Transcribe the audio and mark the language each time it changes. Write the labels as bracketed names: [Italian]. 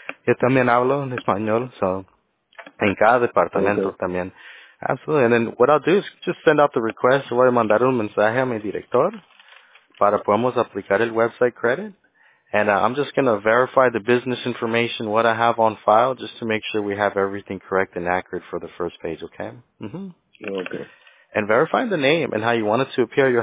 [Spanish] Yo también hablo en español, so en cada departamento. [English] Okay. También. Absolutely. And then what I'll do is just send out the request. [Spanish] Voy a mandar un mensaje a mi director para podemos aplicar el website credit. [English] And I'm just going to verify the business information, what I have on file, just to make sure we have everything correct and accurate for the first page, okay? Mm-hmm. Okay. And verify the name and how you want it to appear.